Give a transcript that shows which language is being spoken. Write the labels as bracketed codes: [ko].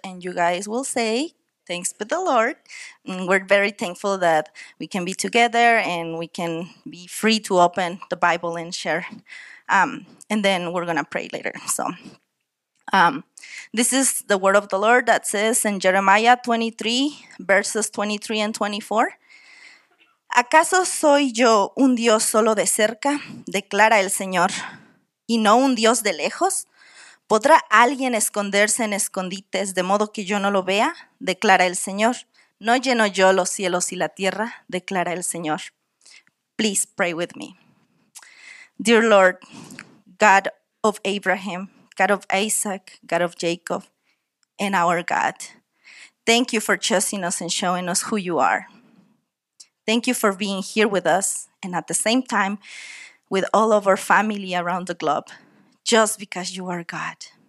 [en] And you guys will say, thanks be the Lord. And we're very thankful that we can be together and we can be free to open the Bible and share. And then we're going to pray later. So this is the word of the Lord that says in Jeremiah 23, verses 23 and 24. [es] ¿Acaso soy yo un Dios solo de cerca? Declara el Señor. ¿Y no un Dios de lejos? ¿Podrá alguien esconderse en escondites de modo que yo no lo vea? Declara el Señor. ¿No lleno yo los cielos y la tierra? Declara el Señor. [en] Please pray with me. Dear Lord, God of Abraham, God of Isaac, God of Jacob, and our God, thank you for choosing us and showing us who you are. Thank you for being here with us and at the same time with all of our family around the globe, just because you are God.